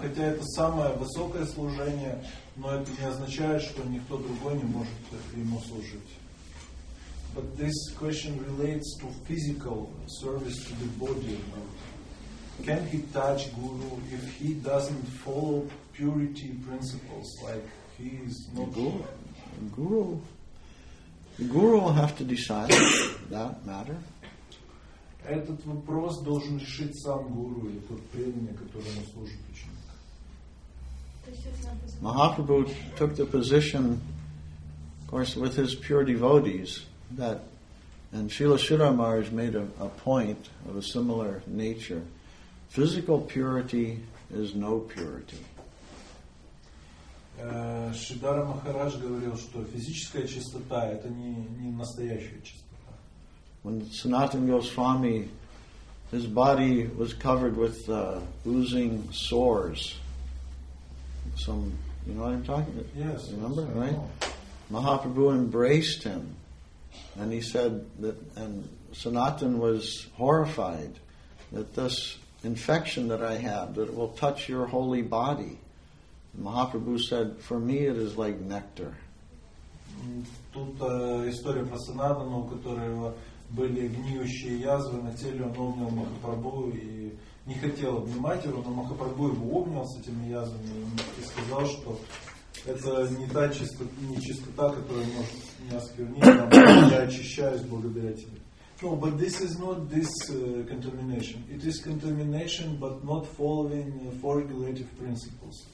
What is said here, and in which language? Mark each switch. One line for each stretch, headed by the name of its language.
Russian: Хотя это самое высокое служение, но это не означает, что никто другой не может ему служить.
English: But this question relates to physical service to the body. Can he touch Guru if he doesn't follow purity principles? Like he is not Guru. Guru will have to decide that matter.
Russian: Этот вопрос должен решить сам гуру или тот преданный, которому служит ученик.
English: Mahaprabhu took the position, of course, with his pure devotees, that, and Srila Sridhara Maharaj made a point of a similar nature. Physical purity is no purity.
Russian: Шридхара Махарадж говорил, что физическая чистота – это не настоящая чистота.
English: When Sanatana Goswami, his body was covered with oozing sores. Some, you know what I'm talking about? Yes. Remember, so right? Mahaprabhu embraced him. And he said that, and Sanatana was horrified that this infection that I have, that it will touch your holy body. And Mahaprabhu said, for me it is like nectar.
Russian: Тут история про Санатану, у которого были гниющие язвы на теле, он обнял Махапрабху и не хотел обнимать его, но Махапрабху его обнял с этими язвами и сказал, что Это не та чистота, не чистота, которая может меня осквернить, я очищаюсь благодаря тебе.
English: No, but this is not this contamination. It is contamination, but not following four regulative principles.